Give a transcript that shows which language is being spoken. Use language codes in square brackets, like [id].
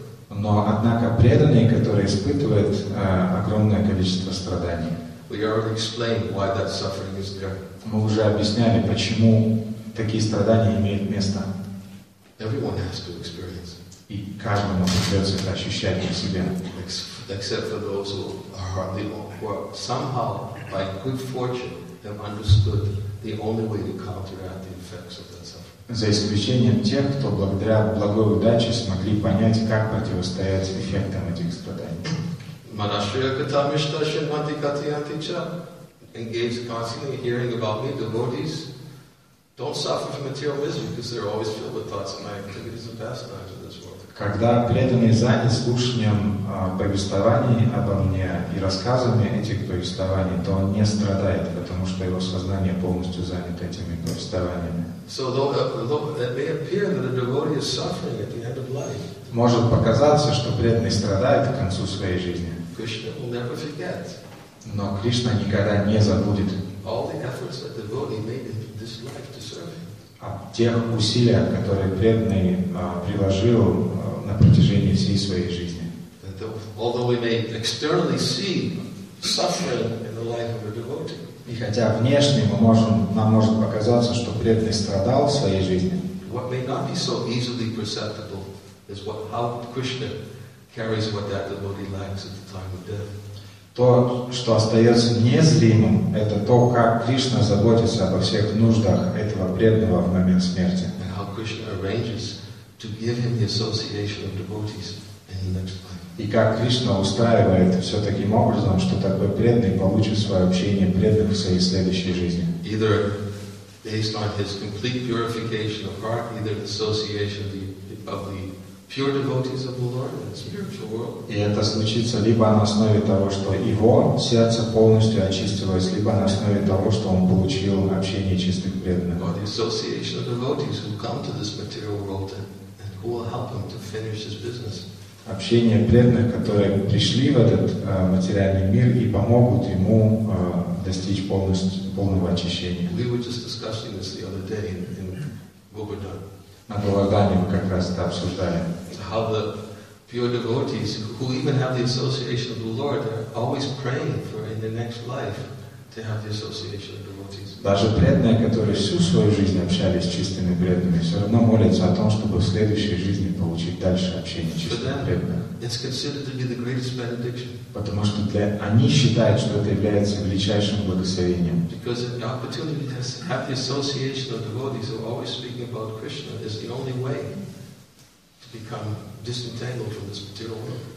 [ru] Но, однако, преданный, который испытывает огромное количество страданий, [en] we already explained why that suffering is there. [ru] Мы уже объясняли, почему такие страдания имеют место. [en] Everyone has to experience it. [ru] И каждому придется это ощущать на себе. [en] Except for those who are somehow, by good fortune, have understood the only way to counteract the effects of that suffering. [ru] За исключением тех, кто благодаря благой удаче смогли понять, как противостоять эффектам этих страданий. [sa] Manashriya Katha Mishta Shinvanti Kati Anticha [en] engaged constantly in hearing about me. Devotees don't suffer from material misery because they're always filled with thoughts of my activities and pastimes in this world. [ru] Когда преданный занят слушанием повествований обо мне и рассказами этих повествований, то он не страдает, потому что его сознание полностью занято этими повествованиями. [en] So though it may appear that a devotee is suffering at the end of life, [ru] может показаться, что преданный страдает к концу своей жизни. [en] Krishna will never forget. [ru] Но Кришна никогда не забудет [en] all the efforts that the devotee made in this life to serve him. [ru] О тех усилиях, которые преданный приложил на протяжении всей своей жизни. [en] Although we may externally see suffering in the life of a devotee, [ru] и хотя внешне мы можем, нам может показаться, что преданный страдал в своей жизни, [en] what may not be so easily perceptible is what, how Krishna carries what that devotee lacks at the time of death. [ru] То, что остается незримым, это то, как Кришна заботится обо всех нуждах этого преданного в момент смерти. [en] And how Krishna arranges to give him the association of devotees in the next life. [ru] И как Кришна устраивает все таким образом, что такой преданный получит свое общение преданных в своей следующей жизни. [en] Either based on his complete purification of heart, either the association of the pure devotees of the Lord in the spiritual world. [ru] И это случится либо на основе того, что его сердце полностью очистилось, либо на основе того, что он получил общение чистых преданных. [en] Or the association of devotees who come to this material world and who will help him to finish his business. [ru] Общение преданных, которые пришли в этот материальный мир и помогут ему достичь полного очищения. [en] We were just discussing this the other day in Govardhan. [ru] На Говардхане мы как раз это обсуждали. [en] How the pure devotees, who even have the association of the Lord, are always praying for in the next life to have the association of devotees. [ru] Даже преданные, которые всю свою жизнь общались с чистыми преданными, все равно молятся о том, чтобы в следующей жизни получить дальше общение с чистыми преданными. [en] It's considered to be the greatest benediction. [ru] Потому что они считают, что это является величайшим благословением. [en] Because the opportunity to have the association of devotees who are always speaking about Krishna is the only way to become disentangled from this material world.